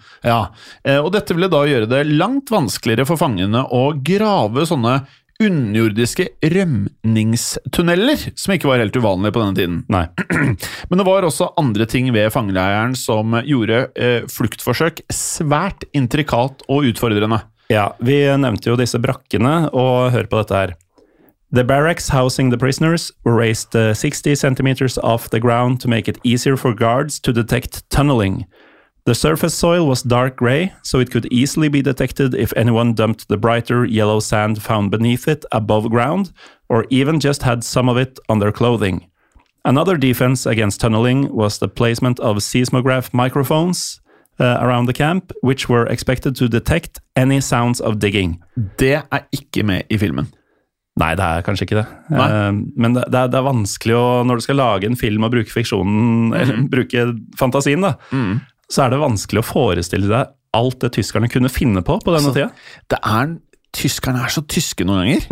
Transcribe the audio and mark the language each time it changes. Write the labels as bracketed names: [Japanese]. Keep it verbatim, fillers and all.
[Norwegian] Ja. Og dette ville da gjøre det langt vanskeligere for fangene å grave sånne underjordiske rømningstunneller, som ikke var helt uvanlige på denne tiden. Nei. Men det var også andre ting ved fangeleiren som gjorde eh, fluktforsøk svært intrikat og utfordrende. Ja, vi nevnte jo disse brakkene, og hør på dette her. [English] The barracks housing the prisoners were raised sixty centimeters off the ground to make it easier for guards to detect tunneling. The surface soil was dark gray, so it could easily be detected if anyone dumped the brighter yellow sand found beneath it above ground, or even just had some of it on their clothing. Another defense against tunneling was the placement of seismograph microphones Uh, around the camp, which were expected to detect any sounds of digging. [Norwegian] Det er ikke med i filmen. Nei, det er kanskje ikke det. Uh, men det, det, er, det er vanskelig å, når du skal lage en film og bruke fiksjonen, mm. eller bruke fantasien da, mm. så er det vanskelig å forestille deg alt det tyskerne kunne finne på på denne tiden. Det er, tyskerne er så tyske noen ganger.